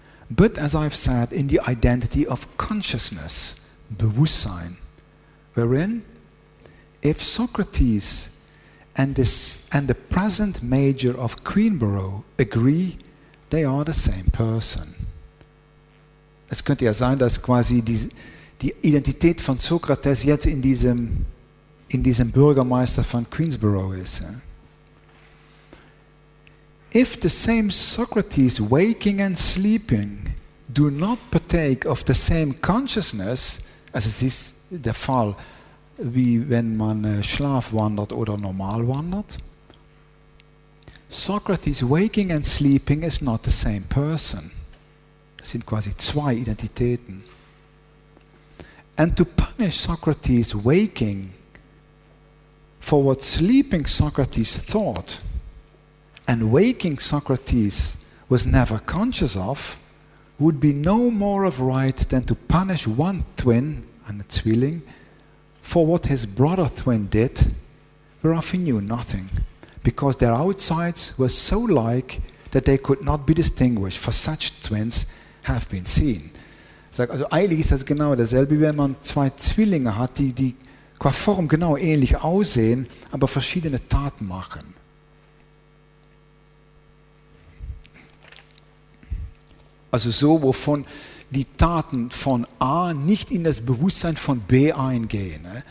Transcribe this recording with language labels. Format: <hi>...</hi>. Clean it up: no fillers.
<en>but as I've said, in the identity of consciousness, Bewusstsein, wherein, if Socrates and the present major of Queenborough agree, they are the same person.</en> <de>Es könnte ja sein, dass quasi die Identität von Sokrates jetzt in diesem Bürgermeister von Queensborough ist.</de> <en>If the same Socrates waking and sleeping do not partake of the same consciousness,</en> <de>also es ist der Fall, wie wenn man Schlaf wandert oder normal wandert,</de> <en>Socrates waking and sleeping is not the same person.</en> <de>Das sind quasi zwei Identitäten.</de> <en>And to punish Socrates waking for what sleeping Socrates thought and waking Socrates was never conscious of would be no more of right than to punish one twin and a Zwilling for what his brother twin did, whereof he knew nothing, because their outsides were so like that they could not be distinguished, for such twins have been seen.</en> <de>Also eigentlich ist das genau dasselbe, wenn man zwei Zwillinge hat, die qua Form genau ähnlich aussehen, aber verschiedene Taten machen. Also so, wovon die Taten von A nicht in das Bewusstsein von B eingehen.</de>